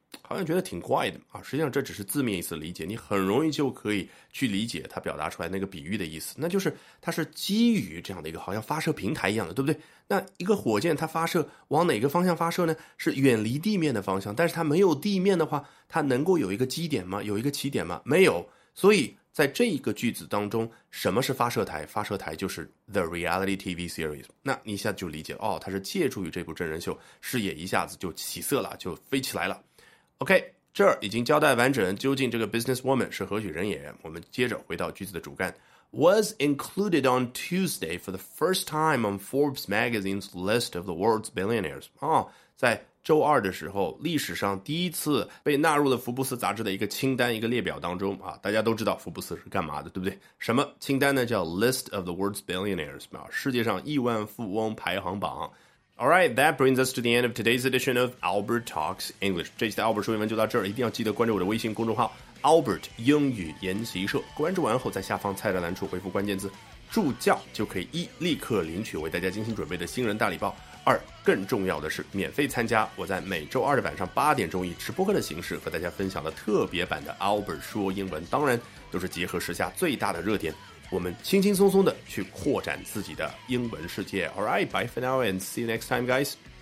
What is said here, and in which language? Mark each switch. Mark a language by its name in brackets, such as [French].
[Chinese] 好像觉得挺怪的啊。实际上这只是字面意思理解，你很容易就可以去理解它表达出来那个比喻的意思，那就是它是基于这样的一个好像发射平台一样的，对不对？那一个火箭它发射往哪个方向发射呢？是远离地面的方向，但是它没有地面的话，它能够有一个基点吗？有一个起点吗？没有。所以在这一个句子当中，什么是发射台？发射台就是 The Reality TV Series。那你一下就理解了，哦，它是借助于这部真人秀，视野一下子就起色了，就飞起来了。 OK， 这儿已经交代完整，究竟这个 businesswoman 是何许人也，我们接着回到句子的主干。 [English] Was included on Tuesday for the first time on Forbes Magazine's list of the world's billionaires。 [Chinese] 哦，在周二的时候，历史上第一次被纳入了福布斯杂志的一个清单，一个列表当中啊。大家都知道福布斯是干嘛的，对不对？什么清单呢？叫 List of the World's Billionaires， 啊，世界上亿万富翁排行榜。 [English] Alright, that brings us to the end of today's edition of Albert Talks English。 [Chinese] 这期的 Albert 说英文就到这儿，一定要记得关注我的微信公众号 Albert 英语研习社，关注完后在下方菜单栏处回复关键字助教，就可以一立刻领取为大家精心准备的新人大礼包，二更重要的是免费参加我在每周二的晚上8点以直播课的形式和大家分享的特别版的 Albert 说英文，当然都是结合时下最大的热点，我们轻轻松松的去扩展自己的英文世界。 [English] Alright, bye for now and see you next time guys.